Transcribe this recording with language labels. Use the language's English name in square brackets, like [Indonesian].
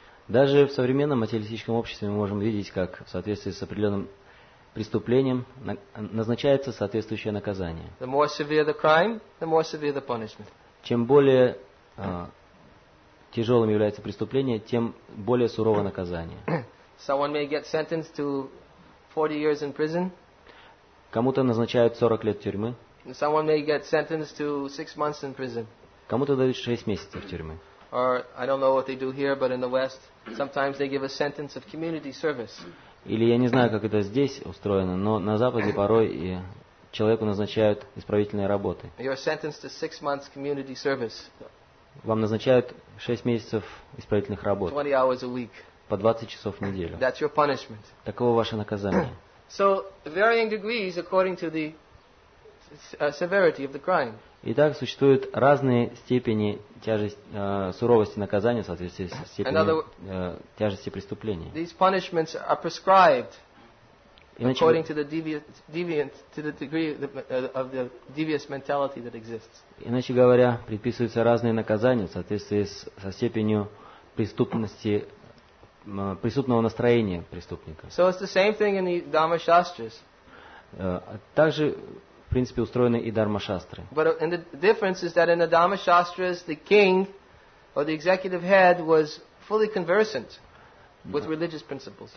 [Russian] Даже в современном материалистическом обществе мы можем видеть, как в соответствии с определенным преступлением назначается соответствующее наказание. [English] The more severe the crime, the more severe the punishment. [Russian] Чем более тяжелым является преступление, тем более сурово наказание. [English] Someone may get sentenced to 40 years in prison. [Russian] Кому-то назначают 40 лет тюрьмы. [English] Someone may get sentenced to 6 months in prison. [Russian] Кому-то дают 6 месяцев тюрьмы. [English] Or I don't know what they do here, but in the West sometimes they give a sentence of community service. [Russian] Или я не знаю, как это здесь устроено, но на Западе порой и человеку назначают исправительные работы. [English] You're sentenced to 6 months community service. [Russian] Вам назначают 6 месяцев исправительных работ. [English] 20 hours a week. [Russian] По 20 часов в неделю. [English] That's your punishment. [Russian] Таково ваше наказание. [English] So varying degrees according to the severity of the crime. [Russian] Итак, существуют разные степени тяжести, суровости наказания в соответствии с степенью тяжести преступления. [English] These punishments are prescribed according to the deviant to the degree of the devious mentality that exists. [Russian] Иначе говоря, предписываются разные наказания в соответствии со степенью преступности. Преступного настроения преступника. [English] So it's the same thing in the Dharma Shastras. [Russian] Также, в принципе, устроены и Dharma Shastras. [English] But and the difference is that in the Dharma Shastras, the king or the executive head was fully conversant with religious principles.